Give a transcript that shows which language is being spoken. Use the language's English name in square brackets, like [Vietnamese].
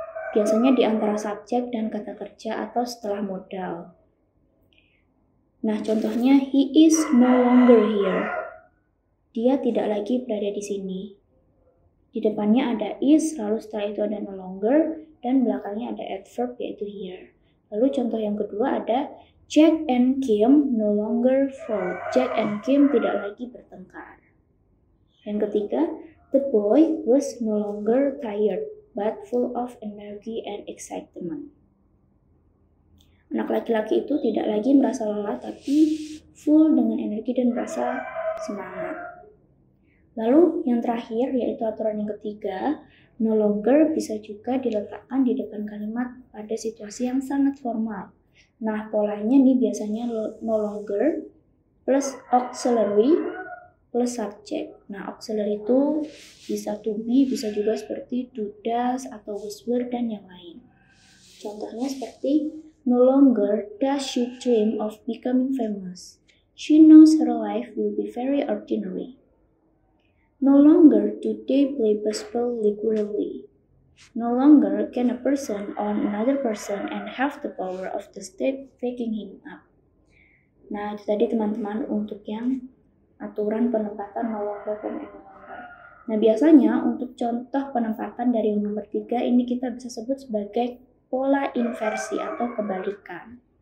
[Indonesian] Biasanya di antara subjek dan kata kerja atau setelah modal. Nah, contohnya [English] he is no longer here. [Indonesian] Dia tidak lagi berada di sini. Di depannya ada is, lalu setelah itu ada no longer, dan belakangnya ada adverb yaitu here. Lalu contoh yang kedua ada [English] Jack and Kim no longer fought. [Indonesian] Jack and Kim tidak lagi bertengkar. Yang ketiga, [English] the boy was no longer tired, but full of energy and excitement. [Indonesian] Anak laki-laki itu tidak lagi merasa lelah, tapi full dengan energi dan merasa semangat. Lalu yang terakhir yaitu aturan yang ketiga, no longer bisa juga diletakkan di depan kalimat pada situasi yang sangat formal. Nah, polanya nih biasanya no longer plus auxiliary plus subject. Nah, auxiliary itu bisa to be, bisa juga seperti do does atau was were dan yang lain. Contohnya seperti [English] no longer does she dream of becoming famous. She knows her life will be very ordinary. No longer do they play baseball regularly. No longer can a person own another person and have the power of the state backing him up. [Indonesian] Nah, itu tadi teman-teman untuk yang aturan penempatan no longer dan any longer. Nah, biasanya untuk contoh penempatan dari nomor 3 ini kita bisa sebut sebagai pola inversi atau kebalikan.